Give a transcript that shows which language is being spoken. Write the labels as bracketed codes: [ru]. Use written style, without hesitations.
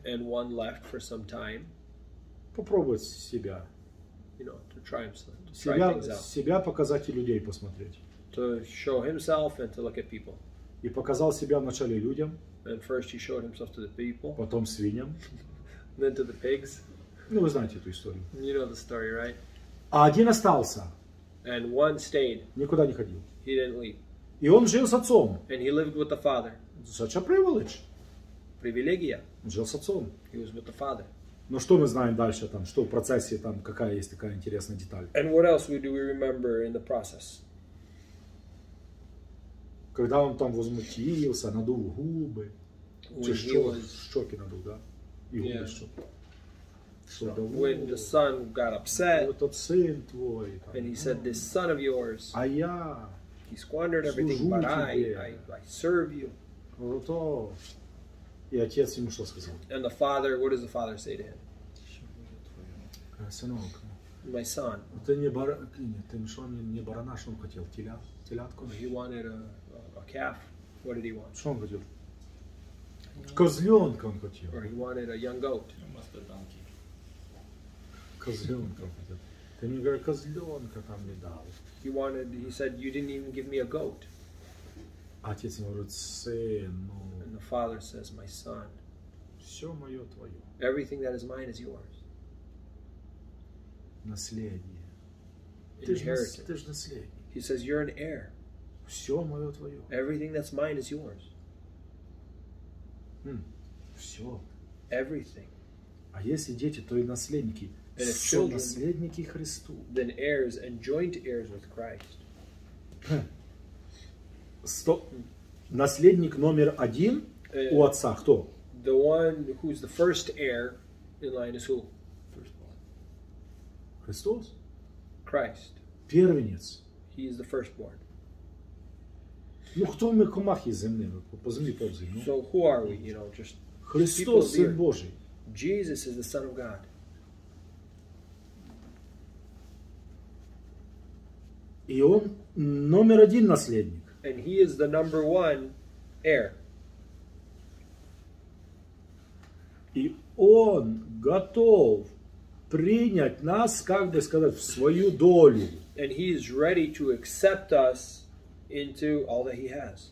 [en] And one left for some time. [ru] Попробовать себя. [en] You know, to try himself. [ru] Себя, себя показать и людей посмотреть. [en] To show himself and to look at people. [ru] И показал себя вначале людям. [en] And first he showed himself to the people. [ru] Потом свиньям. [en] Then to the pigs. [ru] Ну, вы знаете эту историю. [en] You know the story, right? [ru] А один остался. [en] And one stayed. [ru] Никуда не ходил. [en] He didn't leave. [ru] И он жил с отцом. [en] And he lived with the father. Such a privilege. [ru] Привилегия. Он жил с отцом. [en] He was with the father. [ru] Но что мы знаем дальше там, что в процессе там, какая есть такая интересная деталь? [en] And what else do we remember in the process? [ru] Когда он там возмутился, надул губы, щеки надул, да? И губы [en] So when the son got upset, [ru] этот сын твой, [en] там, and he said, this son of yours, [ru] а я, [en] he squandered everything, but I serve you. [ru] Вот то. И отец ему что сказал? [en] And the father, what does the father say to him? [ru] Сынок. [en] My son. [ru] Ты не барана, ты что, не барана, что он хотел? Телятку? [en] He wanted a calf. What did he want? [ru] Что он хотел? Козленка он хотел. [en] Or he wanted a young goat. [ru] Козленка он хотел. Ты мне, говорю, козленка там не дал. [en] He wanted, he said, you didn't even give me a goat. [ru] Отец ему говорит, сын, ну... [en] And the father says, my son, [ru] все мое твое. [en] Everything that is mine is yours. [ru] Наследие. Ты ж наследник. [en] He says, you're an heir. [ru] Все мое твое. [en] Everything that's mine is yours. [ru] Все. [en] Everything. [ru] А если дети, то и наследники. [en] And if children, [ru] наследники Христу. [en] Then heirs and joint heirs with Christ. [ru] Наследник номер один у отца кто? [en] The one who's the first heir in line is who? [ru] Христос? [en] Christ. [ru] Первенец. [en] He is the firstborn. [ru] Ну кто мы комахи земные? По земле ползаем. [en] So who are we? You know, just [ru] Христос, Сын Божий. [en] Jesus is the Son of God. [ru] И он номер один наследник. [en] And he is the number one heir. [ru] И он готов принять нас, как бы сказать, в свою долю. [en] And he is ready to accept us into all that he has.